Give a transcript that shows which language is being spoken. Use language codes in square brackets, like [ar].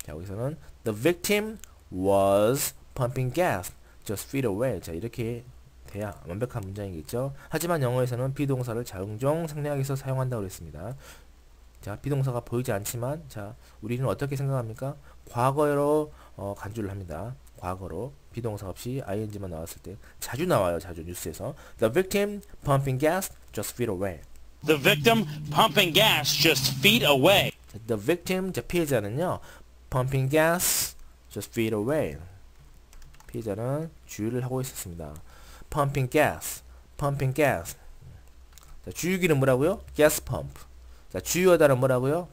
[ko] 자, 여기서는 [en] the victim was pumping gas just feet away. [ko] 자, 이렇게 돼야 완벽한 문장이겠죠. 하지만 영어에서는 비동사를 자음종 생략해서 사용한다고 했습니다. 자, 비동사가 보이지 않지만, 자, 우리는 어떻게 생각합니까? 과거로 간주를 합니다. 과거로 비동사 없이 ing만 나왔을 때 자주 나와요. 자주 뉴스에서 [en] The victim pumping gas just feet away. The victim pumping gas just feet away. The victim, [ko] 자, 피해자는요, [en] pumping gas just feet away. [ko] 피해자는 주유를 하고 있었습니다. [en] Pumping gas. [ko] 자, 주유기는 뭐라고요? [en] Gas pump. [ko] 자, 주유하다는 뭐라고요?